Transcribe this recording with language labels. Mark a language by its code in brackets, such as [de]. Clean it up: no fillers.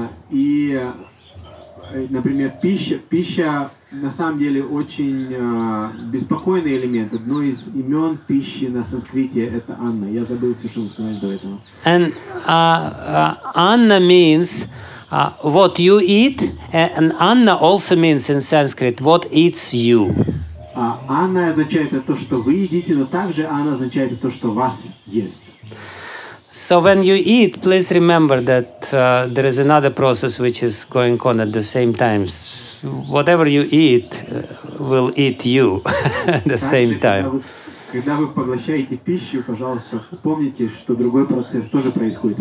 [ru] И, например, пища на самом деле очень беспокойный элемент. Одно из имен пищи на санскрите – это Анна. Я забыл все, что вы сказали до этого. [en] And Anna means what you eat, and Anna also means in Sanskrit what eats you. [ru] Анна означает то, что вы едите, но также Анна означает то, что вас ест. [en] So when you eat, please remember that there is another process which is going on at the same time. Whatever you eat will eat you at the same time. [ru] Когда вы поглощаете пищу, пожалуйста, помните, что другой процесс тоже происходит.